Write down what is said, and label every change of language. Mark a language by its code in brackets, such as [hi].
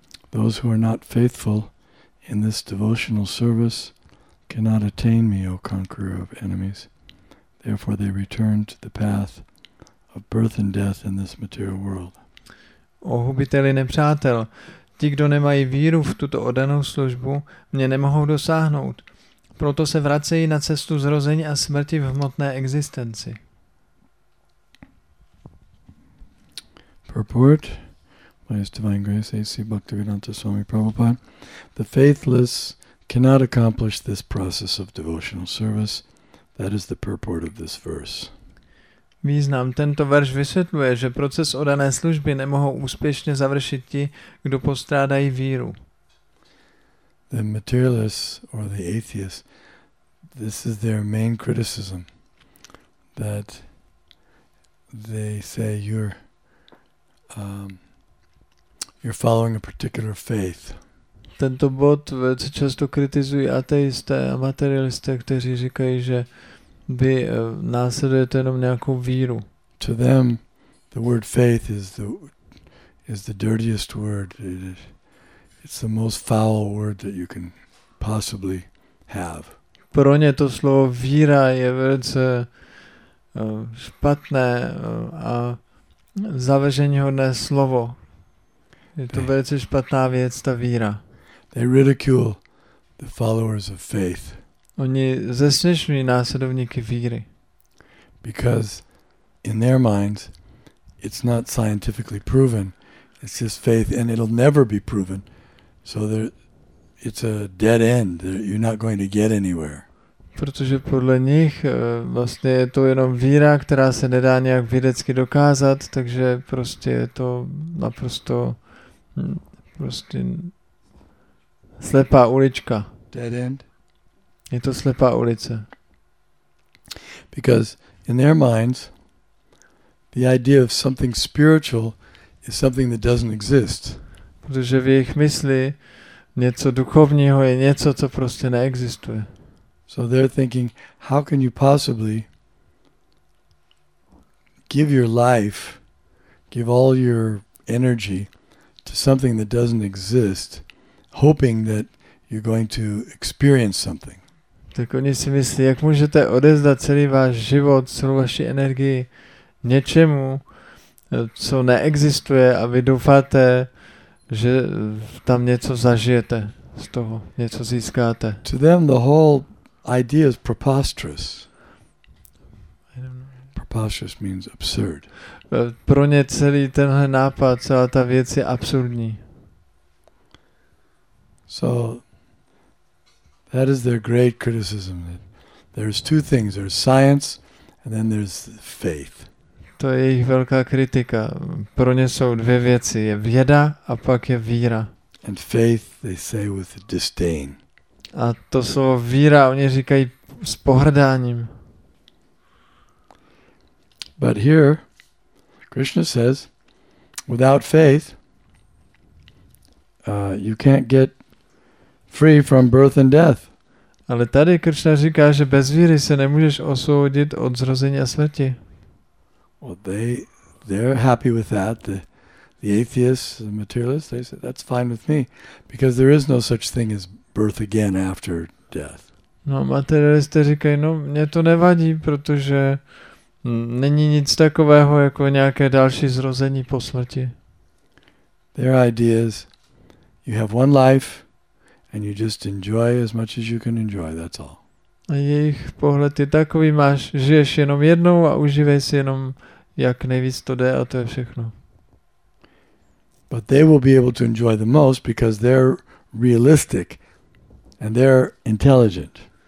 [en] Those who are not faithful in this devotional service cannot attain me, O conqueror of enemies. Therefore they return to the path of birth and death in this material world. [cs] O hubiteli nepřátel, ti, kdo nemají víru v tuto oddanou službu, mě nemohou dosáhnout. Proto se vracejí na cestu zrození a smrti v hmotné existenci. [en] Purport by His Divine Grace A.C. Bhaktivedanta Swami Prabhupada. The faithless cannot accomplish this process of devotional service. That is the purport of this verse. [cs] Význam tento verš vysvětluje, že proces oddané služby nemohou úspěšně završit ti, kdo postrádají víru. [en] The materialist or the atheist, this is their main criticism, that they say you're following a particular faith. [cs] Tento bod velice často kritizují ateisté a materialisté, kteří říkají, že vy následujete jenom nějakou víru. [en] To them, the word faith is the dirtiest word. It's the most foul word that you can possibly have. [cs] Pro ně to slovo víra je velice špatné a zaveženíhodné slovo. Je to velice špatná věc, ta víra. [en] They ridicule the followers of faith. [cs] Oni zesměšňují následovníky víry. [en] Because in their minds, it's not scientifically proven. It's just faith, and it'll never be proven. So there, it's a dead end. You're not going to get anywhere. [cs] Protože podle nich vlastně je to jenom víra, která se nedá nějak vědecky dokázat, takže prostě je to naprosto prostě slepá ulička. [en] Dead end. [cs] Je to slepá ulice. [en] Because in their minds, the idea of something spiritual is something that doesn't exist. [cs] Protože v jejich mysli něco duchovního je něco, co prostě neexistuje. [en] So they're thinking, how can you possibly give your life, give all your energy to something that doesn't exist, hoping that you're going to experience something? [cs] Tak oni si myslí, jak můžete odezdat celý váš život, celou vaši energii něčemu, co neexistuje, a vy doufáte, že tam něco zažijete z toho, něco získáte. [en] To them the whole idea is preposterous. I don't know. preposterous means absurd. [cs] Pro ně celý tenhle nápad, celá ta věc je absurdní. [en] So that is their great criticism. There's two things, there's science and then there's faith. [cs] To je jejich velká kritika. Pro ně jsou dvě věci, je věda a pak je víra. [en] And faith they say with disdain. [cs] A to slovo víra oni říkají s pohrdáním. [en] But here Krishna says without faith you can't get free from birth and death. [cs] Ale tady Krishna říká, že bez víry se nemůžeš osvobodit od zrození a smrti. [en] Well, they're happy with that. The atheists, the materialists, they say that's fine with me because there is no such thing as birth again after death. [cs] No, materialisté říkají, no, mě to nevadí, protože není nic takového jako nějaké další zrození po smrti. [en] Their idea is you have one life and you just enjoy as much as you can enjoy, that's all. [cs] A jejich pohled je takový, máš, žiješ jenom jednou a užívej si jenom, jak nejvíc to jde, a to je všechno. [en] But they will be able to enjoy the most because they're realistic and they're intelligent.